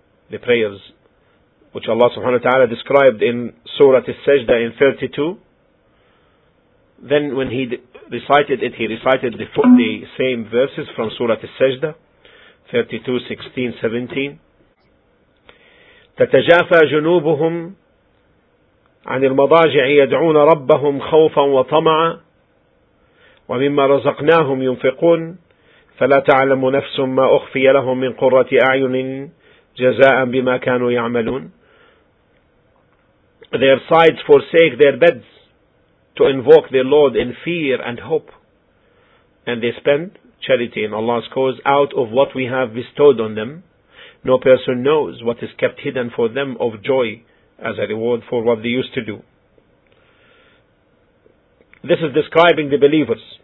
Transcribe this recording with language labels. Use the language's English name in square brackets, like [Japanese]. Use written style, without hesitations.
[English] The prayers which Allah subhanahu wa ta'ala described in Surah Al-Sajdah in 32. Then when he recited it, he recited the same verses from Surah Al-Sajdah. 32, 16, 17. [Arabic] تَتَجَافَى جُنُوبُهُمْ عَنِ الْمَضَاجِعِ يَدْعُونَ رَبَّهُمْ خَوْفًا وَطَمَعًا وَمِمَّا رَزَقْنَاهُمْ يُنْفِقُونَ فَلَا تَعْلَمُ نَفْسٌ مَّا أُخْفِيَ لَهُمْ مِنْ قُرَّةِ أَعْيُنٍ جَزَاءً بِمَا كَانُوا يَعْمَلُونَ [English] Their sides forsake their beds to invoke their Lord in fear and hope. And they spend charity in Allah's cause out of what we have bestowed on them. No person knows what is kept hidden for them of joy as a reward for what they used to do. This is describing the believers.